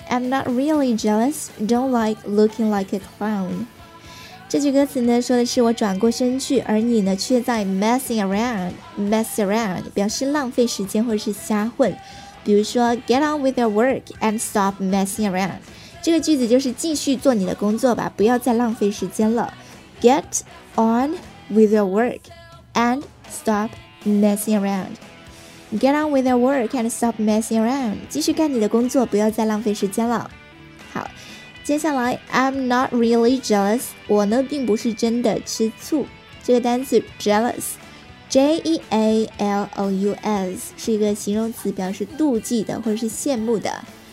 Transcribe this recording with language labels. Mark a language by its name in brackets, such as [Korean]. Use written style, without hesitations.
[English] I'm not really jealous. Don't like looking like a clown. [Chinese] 这句歌词呢，说的是我转过身去，而你呢，却在 messing around. Mess around 表示浪费时间或者是瞎混。 [English] 比如说，get on with your work and stop messing around. [Chinese] 这个句子就是继续做你的工作吧，不要再浪费时间了。 [English] Get on with your work and stop messing around. Get on with your work and stop messing around. [Chinese] 继续干你的工作，不要再浪费时间了。好，接下来 I'm not really jealous. 我呢并不是真的吃醋。这个单词 jealous, J-E-A-L-O-U-S 是一个形容词，表示妒忌的或者是羡慕的。